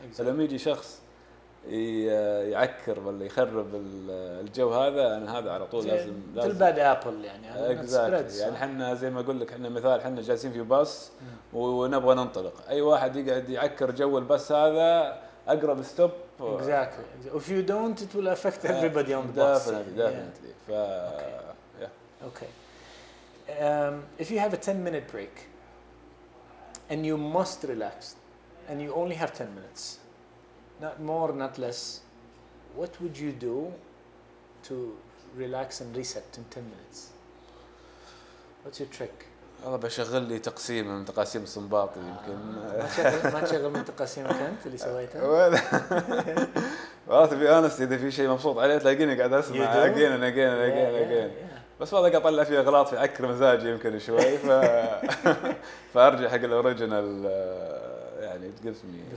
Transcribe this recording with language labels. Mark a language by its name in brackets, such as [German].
[Arabic] فلما يجي شخص يعكر ولا يخرب الجو هذا انا هذا على طول لازم [English] الباد ابل يعني exactly. [Arabic] يعني احنا زي ما اقول لك احنا مثال احنا جالسين في باص ونبغى ننطلق اي واحد يقعد يعكر جو الباص هذا اقرب ستوب [English] exactly. if you don't it will affect everybody on the definitely, bus definitely yeah. Okay. If you have a 10 minute break and you must relax and you only have 10 minutes not more not less what would you do to relax and reset in 10 minutes what's your trick? [Arabic] والله بشغل لي تقسيم من تقاسيم صنباطي يمكن ما تشغل من تقاسيمك انت اللي سويته والله في انس اذا في شيء مبسوط عليه تلاقيني قاعد اسمع اجين بس والله قاعد اطلع فيه اغلاط في عكر مزاجي يمكن شوي فارجع حق الاوريجينال يعني تقف مني